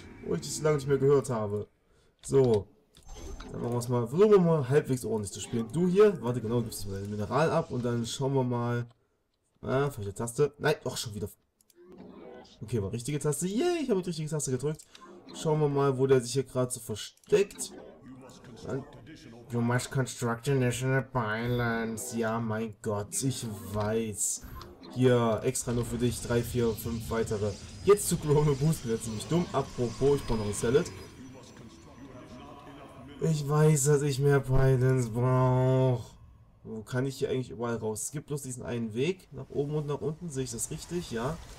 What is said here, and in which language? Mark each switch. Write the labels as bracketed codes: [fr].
[de] Wo ich dich so lange nicht mehr gehört habe. So. Dann machen wir es mal. Versuchen wir mal halbwegs ordentlich zu spielen. Du hier. Warte, genau. Gibst du mal dein Mineral ab. Und dann schauen wir mal. Ah, falsche Taste. Nein, doch, schon wieder. Okay, war richtige Taste. Yay, yeah, ich habe die richtige Taste gedrückt. Schauen wir mal, wo der sich hier gerade so versteckt. [en] Dann You must construct additional pylons. [de] Ja, mein Gott, ich weiß. Hier, extra nur für dich, 3, 4, 5 weitere. Jetzt zu Chrono boosten, wäre ziemlich dumm. Apropos, ich brauche noch ein Salad. Ich weiß, dass ich mehr Pylons brauche. Wo kann ich hier eigentlich überall raus? Es gibt bloß diesen einen Weg, nach oben und nach unten. Sehe ich das richtig? Ja.